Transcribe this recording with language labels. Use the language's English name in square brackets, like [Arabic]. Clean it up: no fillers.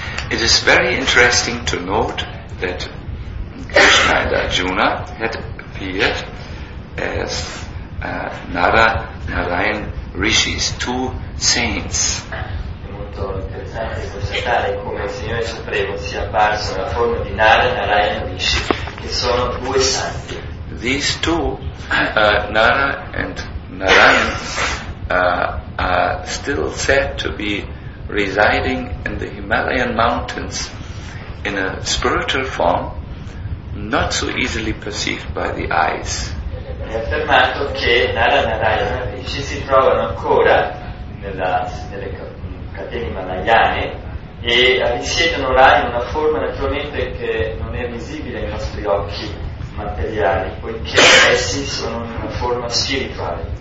[English] It is very interesting to note that Krishna and Arjuna had appeared as Nara Narayan Rishis, two saints. [Italian] È molto interessante constatare come il Signore Supremo sia apparso nella forma di Nara Narayan Rishi, che sono due santi. [English] These two, Nara and Narayan, are still said to be residing in the Himalayan mountains in a spiritual form not so easily perceived by the eyes. [Italian] È affermato che Nara Narayana Rishi si trovano ancora nelle catene himalayane e risiedono là in una forma naturalmente che non è visibile ai nostri occhi materiali, poiché essi sono in una forma spirituale.